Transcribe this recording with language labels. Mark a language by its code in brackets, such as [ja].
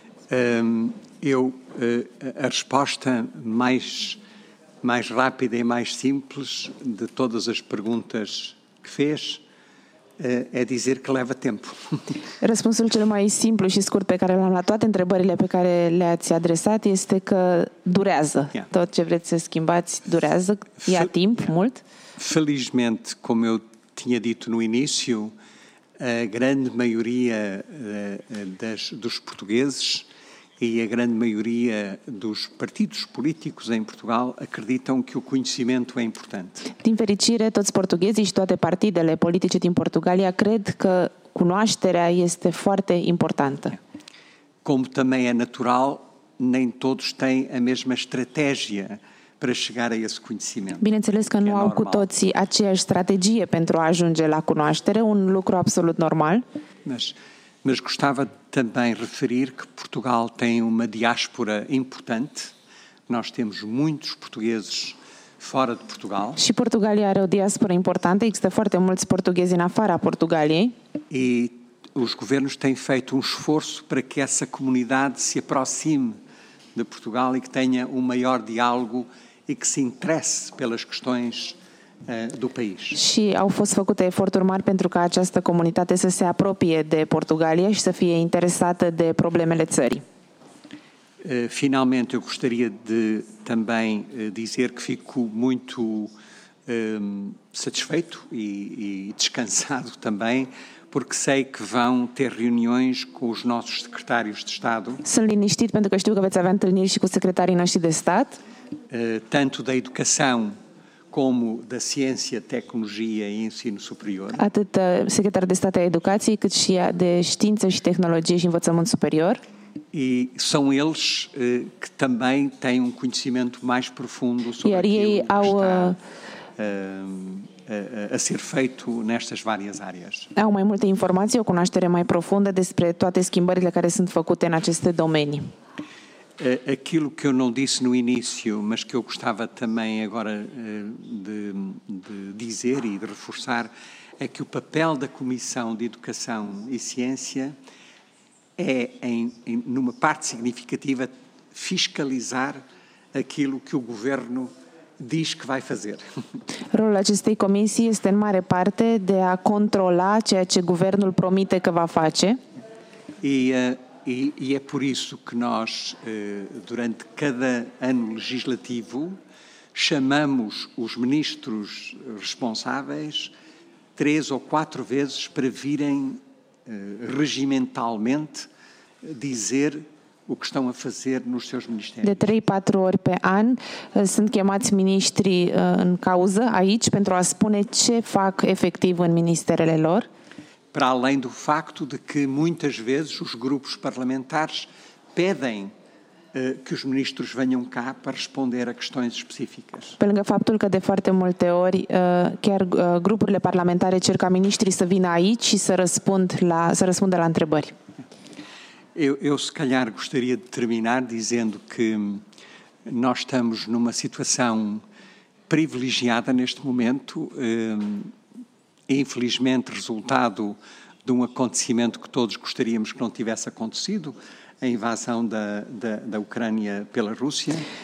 [pt] A resposta mais rápida e mais simples de todas as perguntas que fez é dizer que leva tempo. [ro] Răspunsul cel mai simplu și scurt pe care l-am la toate întrebările pe care le-ați adresat este că durează. Yeah. Tot ce vreți să schimbați durează, ia timp, yeah, mult. [pt] Felizmente, como eu tinha dito no início, a grande maioria dos portugueses e a grande maioria dos partidos políticos em Portugal acreditam que o conhecimento é importante. [ro] Din fericire, toți portughezii și toate partidele politice din Portugalia cred că cunoașterea este foarte importantă. [pt] Como também é natural, nem todos têm a mesma estratégia para chegar a esse conhecimento. [ro] Bineînțeles că nu au cu toții aceeași strategie pentru a ajunge la cunoaștere, un lucru absolut normal. [pt] Mas gostava também de referir que Portugal tem uma diáspora importante. Nós temos muitos portugueses fora de Portugal. [ro] Și Portugalia are o diáspora importantă, există foarte mulți portughezi în afara Portugaliei. [pt] E os governos têm feito um esforço para que essa comunidade se aproxime de Portugal e que tenha um maior diálogo e que se interesse pelas questões do país. [ro] Și au fost făcute eforturi mari pentru ca această comunitate să se apropie de Portugalia și să fie interesată de problemele țării. [pt] Finalmente, eu gostaria de também dizer que fico muito satisfeito e descansado também, porque sei que vão ter reuniões com os nossos secretários de Estado. [ro] Sunt liniștit pentru că știu că veți avea întâlniri și cu secretarii noștri de stat. [pt] Tanto da educação como da ciência, tecnologia e ensino superior. [ro] Atât secretarul de stat a educației, cât și de știință și tehnologie și învățământ superior. [pt] E são eles que também têm um conhecimento mais profundo sobre aquilo que está a ser feito nestas várias áreas. [ro] Au mai multe informații, o cunoaștere mai profundă despre toate schimbările care sunt făcute în aceste domenii. [pt] Aquilo que eu não disse no início, mas que eu gostava também agora de dizer e de reforçar, é que o papel da Comissão de Educação e Ciência é, numa parte significativa, fiscalizar aquilo que o Governo diz que vai fazer. [ro] Rolul acestei comisii este, în mare parte, de a controla ceea ce Guvernul promite că va face. [pt] E é por isso que nós, durante cada ano legislativo, chamamos os ministros responsáveis 3 ou 4 vezes para virem regimentalmente dizer o que estão a fazer nos seus ministérios. [ro] De 3-4 ori pe an sunt chemați ministrii în cauză aici pentru a spune ce fac efectiv în ministerele lor. [pt] Para além do facto de que muitas vezes os grupos parlamentares pedem que os ministros venham cá para responder a questões específicas. [ro] Pe lângă faptul că de foarte multe ori chiar grupurile parlamentare cer ca ministrii să vină aici și să răspundă la întrebări. [pt] Eu se calhar gostaria de terminar dizendo que nós estamos numa situação privilegiada neste momento, infelizmente resultado de um acontecimento que todos gostaríamos que não tivesse acontecido, a invasão da Ucrânia pela Rússia.